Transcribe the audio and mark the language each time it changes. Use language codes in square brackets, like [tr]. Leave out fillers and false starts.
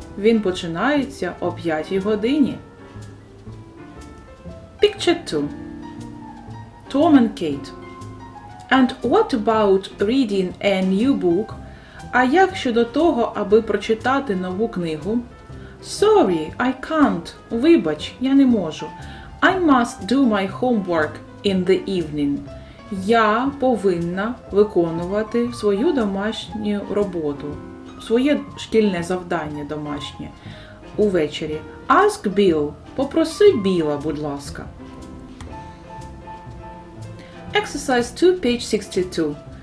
[uk] Він починається о 5 годині. [en] Picture 2. Tom and Kate. And what about reading a new book? [uk] А як щодо того, аби прочитати нову книгу? [en] Sorry, I can't. [uk] Вибач, я не можу. [en] I must do my homework in the evening. [uk] Я повинна виконувати свою домашню роботу, своє шкільне завдання домашнє увечері. [en] Ask Bill. [uk] Попроси Біла, будь ласка. [en] Exercise 2, page 62.